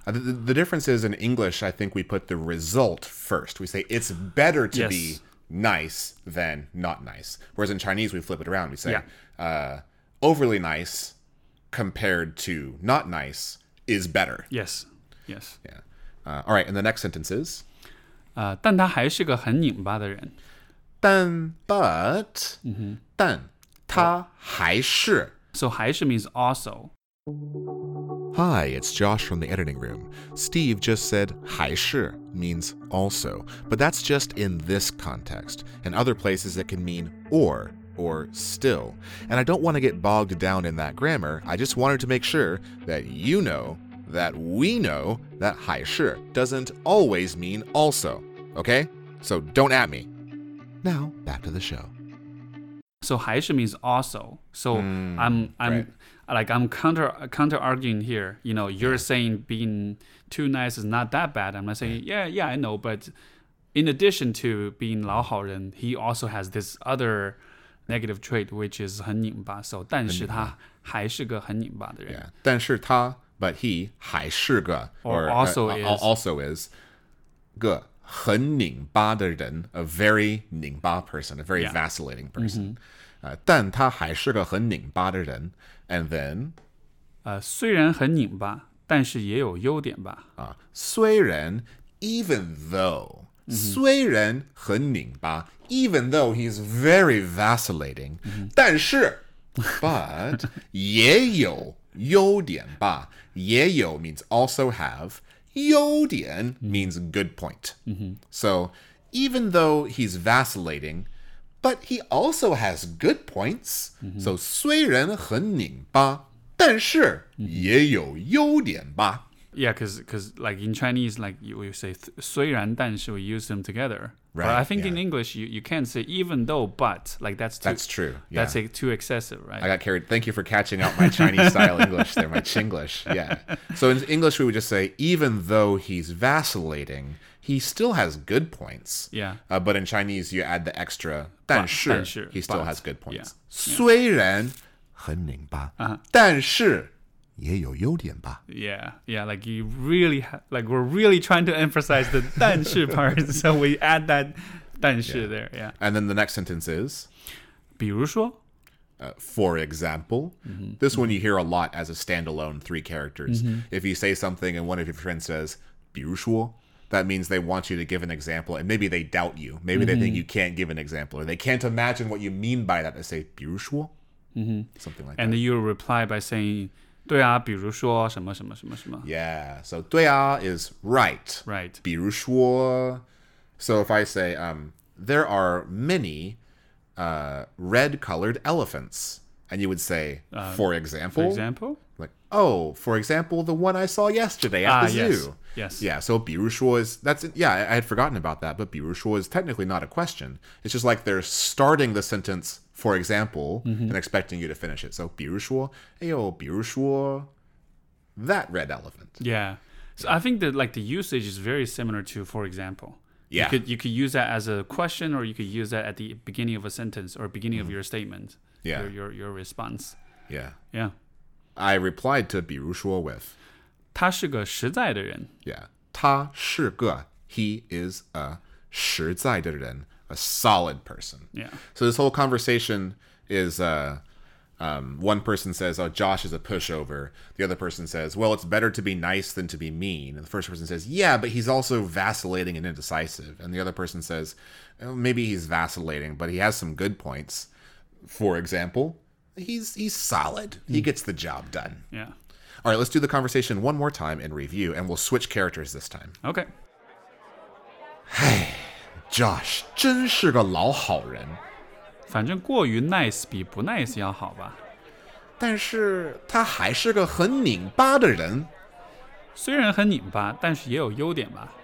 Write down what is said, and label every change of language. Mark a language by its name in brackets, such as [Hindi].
[English] The difference is in English, I think we put the result first. We say it's better to yes. be nice than not nice. Whereas in Chinese, we flip it around. We say overly nice compared to not nice is better. Yes. Yeah. All right. And the next sentence is? [Chinese] 但他还是个很拧巴的人。但。他还是。 [English] So 还是 means also. Hi, it's Josh from the editing room. Steve just said 还是 means also, but that's just in this context. In other places, it can mean or still. And I don't want to get bogged down in that grammar. I just wanted to make sure that you know, that we know, that 还是 doesn't always mean also. Okay? So don't at me. Now, back to the show. So 还是 means also. So I'm counter arguing here. You know, you're saying being too nice is not that bad. I'm not saying, yeah, I know. But in addition to being 老好人, he also has this other negative trait, which is 很拧巴. [Chinese] So 但是他还是个很拧巴的人. [English] Yeah, 但是他, but he 还是个, or also is. Also is 个 [Chinese] 很拧巴的人, [English] a very 拧巴 person, a very yeah. vacillating person. Mm-hmm. [Chinese] 但他还是个很拧巴的人, and then? 虽然很拧巴,但是也有优点吧。 [English] 虽然, even though, mm-hmm. [Chinese] 虽然很拧巴, [English] even though he's very vacillating, mm-hmm. 但是, but, 也有优点吧, 也有 means also have, 优点 means good point. Mm-hmm. So even though he's vacillating, but he also has good points. Mm-hmm. [Chinese] So 虽然很拧巴,但是也有优点吧。 [English] Yeah, because like in Chinese, like we say 虽然但是, we use them together. Right, but I think in English, you can't say even though, but like that's too, that's true. Yeah. That's like too excessive, right? I got carried. Thank you for catching out my Chinese style English there, my Chinglish. Yeah. So in English, we would just say even though he's vacillating, he still has good points. Yeah. But in Chinese, you add the extra 但是, he still has good points. Yeah. [Chinese] 虽然很拧巴,但是 也有优点吧. [English] Yeah, yeah. Like you really, like we're really trying to emphasize the 但是 part, so we add that 但是 yeah. there. Yeah. And then the next sentence is, [Chinese] 比如说, [English] for example, mm-hmm. this mm-hmm. one you hear a lot as a standalone three characters. Mm-hmm. If you say something and one of your friends says 比如说, that means they want you to give an example, and maybe they doubt you. Maybe mm-hmm. they think you can't give an example, or they can't imagine what you mean by that. They say 比如说, mm-hmm. something like and that. And you reply by saying. [Chinese] 对啊,比如说什么什么什么什么 [English] Yeah, so 对啊 is right. Right. 比如说, so if I say, there are many red-colored elephants, and you would say, for example? For example? Like, oh, for example, the one I saw yesterday at the zoo. Yes, yes. Yeah, so 比如说 is, I had forgotten about that, but 比如说 is technically not a question. It's just like they're starting the sentence for example, mm-hmm. and expecting you to finish it. So, 比如说, [Chinese] 哎呦,比如说, [English] that red elephant. Yeah. So, I think that like the usage is very similar to for example. Yeah. You could use that as a question, or you could use that at the beginning of a sentence or beginning mm-hmm. of your statement. Yeah. Your response. Yeah. Yeah. I replied to 比如说 with [Chinese] 他是个实在的人. [English] Yeah. 他是个, he is a 实在的人. A solid person. Yeah. So this whole conversation is one person says, oh, Josh is a pushover. The other person says, well, it's better to be nice than to be mean. And the first person says, yeah, but he's also vacillating and indecisive. And the other person says, oh, maybe he's vacillating, but he has some good points. For example, he's solid. Mm. He gets the job done. Yeah. All right, let's do the conversation one more time in review, and we'll switch characters this time. Okay. Hey. [Chinese] Josh 真是个老好人, 反正过于nice比不nice要好吧, 但是他还是个很拧巴的人, 虽然很拧巴, 但是也有优点吧,